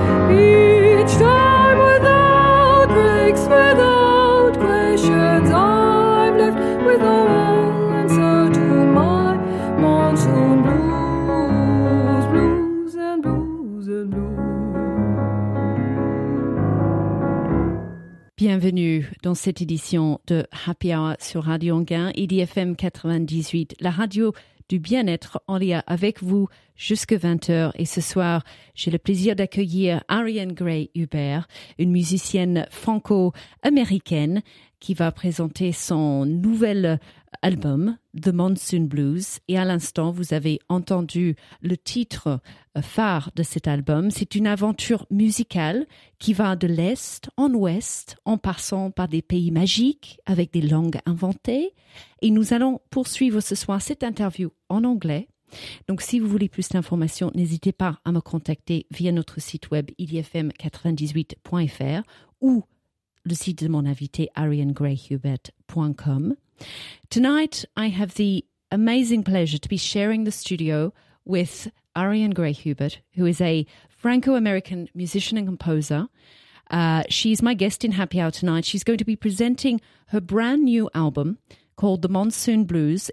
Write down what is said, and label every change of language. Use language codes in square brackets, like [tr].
[en] Each time without breaks, without questions, I'm left with no answer to my monsoon blues, blues and blues and blues. [fr] Bienvenue dans cette édition de Happy Hour sur Radio Anguin, IDFM 98, la radio du bien-être en lien avec vous jusqu'à 20h. Et ce soir, j'ai le plaisir d'accueillir Ariane Gray Hubert, une musicienne franco-américaine qui va présenter son nouvel album, The Monsoon Blues. Et à l'instant, vous avez entendu le titre phare de cet album. C'est une aventure musicale qui va de l'Est en Ouest, en passant par des pays magiques avec des langues inventées. Et nous allons poursuivre ce soir cette interview en anglais. Donc si vous voulez plus d'informations, n'hésitez pas à me contacter via notre site web idfm98.fr ou le site de mon invité ariangrayhubert.com. [en] Tonight, I have the amazing pleasure to be sharing the studio with Ariane Gray Hubert, who is a Franco-American musician and composer. She's my guest in Happy Hour tonight. She's going to be presenting her brand new album called The Monsoon Blues.